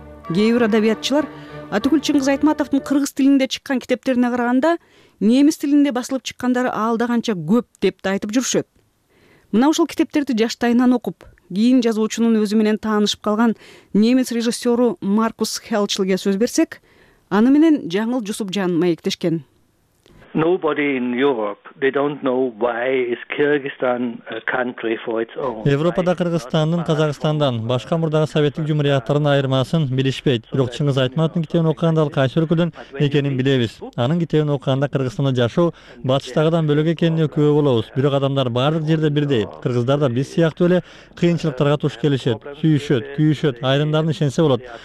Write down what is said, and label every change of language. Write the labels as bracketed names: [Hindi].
[Kyrgyz] Кээ бир адабиятчылар Атыгүл Чыңгыз Айтматовдун кыргыз тилинде чыккан китептерине караганда немис тилинде басылып чыккандары алдаганча көп деп да айтып жүрүшөт. Мына ушул китептерди жаштайынан окуп, кийин жазуучунун өзү менен таанышып калган немис режиссёру Маркус Хелчлге сөз берсек, аны менен Жаңыл Жусупжан маектешкен. [English] Nobody in Europe, they don't know why is Kyrgyzstan a country for its own. [Kyrgyz] Европада Кыргызстандын Казакстандан башка мурдагы советтик жумурияттарынын айырмасын билишпейт. Бирок Чыңгыз Айтматовдун китебин окуганда ал кайсы өлкөдөн экенин билебиз. Анын китебин окуганда Кыргызстанда жашоо батыштагыдан бөлөк экенине күбө болобуз. Бирок адамдар бардык жерде бирдей. Кыргыздар да биз сыяктуу эле кыйынчылыктарга туш келишет, сүйүшөт, күйүшөт, айрымдарын ишенсе болот.